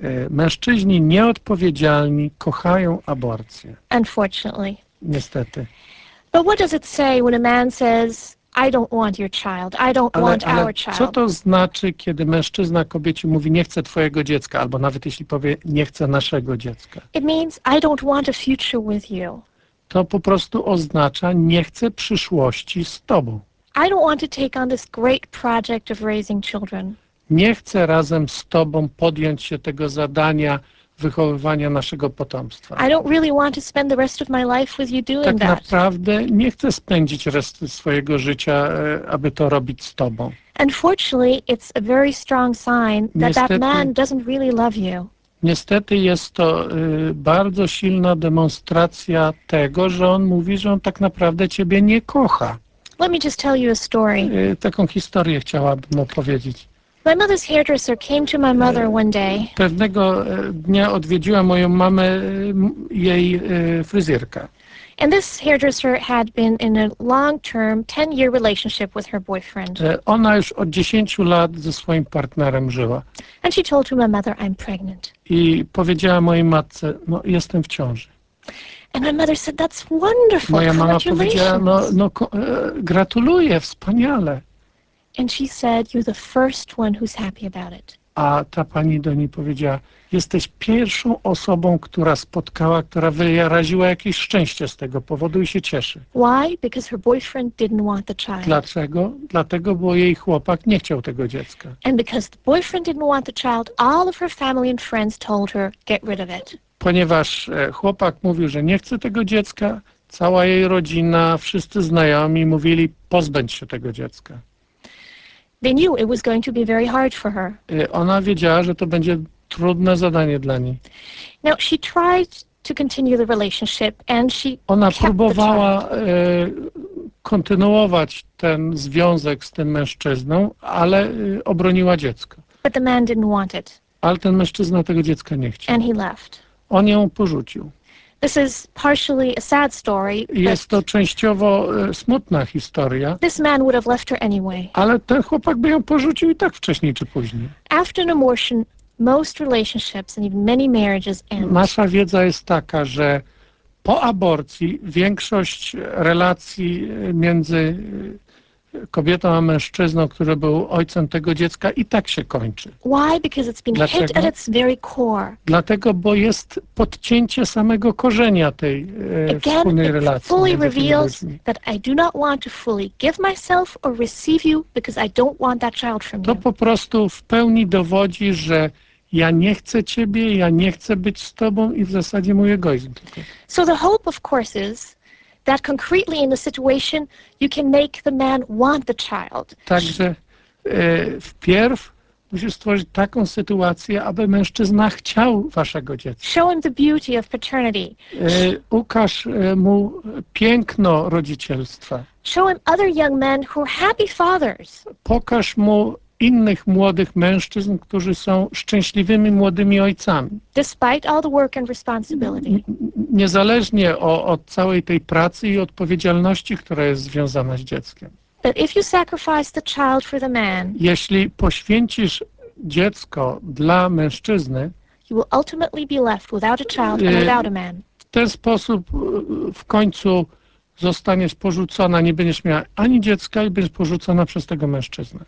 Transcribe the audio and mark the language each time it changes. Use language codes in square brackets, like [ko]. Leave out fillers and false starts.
[pl] Mężczyźni nieodpowiedzialni kochają aborcję. [en] Unfortunately. [pl] Niestety. [en] But what does it say when a man says I don't want your child. I don't want our child. [pl] Co to znaczy, kiedy mężczyzna kobiecie mówi nie chcę twojego dziecka, albo nawet jeśli powie nie chcę naszego dziecka? [en] It means I don't want a future with you. [pl] To po prostu oznacza nie chcę przyszłości z tobą. [en] I don't want to take on this great project of raising children. [pl] Nie chcę razem z tobą podjąć się tego zadania wychowywania naszego potomstwa. [en] I don't really want to spend the rest of my life with you doing that. [pl] Tak naprawdę nie chcę spędzić resztę swojego życia, aby to robić z tobą. [en] Unfortunately, it's a very strong sign that that man doesn't really love you. [pl] Niestety jest to bardzo silna demonstracja tego, że on mówi, że on tak naprawdę ciebie nie kocha. [en] Let me just tell you a story. [pl] Taką historię chciałabym opowiedzieć. [en] My mother's hairdresser came to my mother one day. [pl] Pewnego dnia odwiedziła moją mamę jej fryzjerka. [en] And this hairdresser had been in a long-term, 10-year relationship with her boyfriend. [pl] Ona już od 10 lat ze swoim partnerem żyła. [en] And she told to my mother, I'm pregnant. [pl] I powiedziała mojej matce, no jestem w ciąży. [en] And my mother said, that's wonderful, [pl] moja mama powiedziała, no gratuluję, wspaniale. [en] And she said, you're the first one who's happy about it. [pl] A ta pani do niej powiedziała, jesteś pierwszą osobą, która spotkała, która wyraziła jakieś szczęście z tego powodu i się cieszy. [en] Why? Because her boyfriend didn't want the child. [pl] Dlaczego? Dlatego, bo jej chłopak nie chciał tego dziecka. [en] And because the boyfriend didn't want the child, all of her family and friends told her, get rid of it. [pl] Ponieważ chłopak mówił, że nie chce tego dziecka, cała jej rodzina, wszyscy znajomi mówili, pozbędź się tego dziecka. [en] They knew it was going to be very hard for her. [pl] Ona wiedziała, że to będzie trudne zadanie dla niej. [en] Now she tried to continue the relationship and she [pl] ona próbowała kontynuować ten związek z tym mężczyzną, ale obroniła dziecko. [en] But the man didn't want it. [pl] Ale ten mężczyzna tego dziecka nie chciał. [en] And he left. [pl] On ją porzucił. [en] This is partially a sad story. [pl] Jest to częściowo smutna historia. [en] This man would have left her anyway. [pl] Ale ten chłopak by ją porzucił i tak wcześniej czy później. [en] After an abortion, most relationships and even many marriages end. [pl] Nasza wiedza jest taka, że po aborcji większość relacji między kobietą a mężczyzną, który był ojcem tego dziecka, i tak się kończy. [en] Why? Because it's been hit at its very core. [pl] Dlatego, bo jest podcięcie samego korzenia tej wspólnej relacji. [en] It fully reveals that I do not want to fully give myself or receive you because I don't want that child from you. [pl] To po prostu w pełni dowodzi, że ja nie chcę ciebie, ja nie chcę być z tobą i w zasadzie mój egoizm. [en] So the hope of course is that concretely in the situation you can make the man want the child. [pl] Także wpierw musisz stworzyć taką sytuację, aby mężczyzna chciał waszego dziecka. [en] Show him the beauty of paternity. [pl] Ukaż mu piękno rodzicielstwa. [en] Show him other young men who are happy fathers. [pl] Pokaż mu innych młodych mężczyzn, którzy są szczęśliwymi młodymi ojcami. [en] Despite all the work and responsibility. [pl] Niezależnie od całej tej pracy i odpowiedzialności, która jest związana z dzieckiem. [en] But if you sacrifice the child for the man, [pl] jeśli poświęcisz dziecko dla mężczyzny, [en] you will ultimately be left without a child and without a man. [pl] W ten sposób w końcu zostaniesz porzucona, nie będziesz miała ani dziecka i będziesz porzucona przez tego mężczyznę.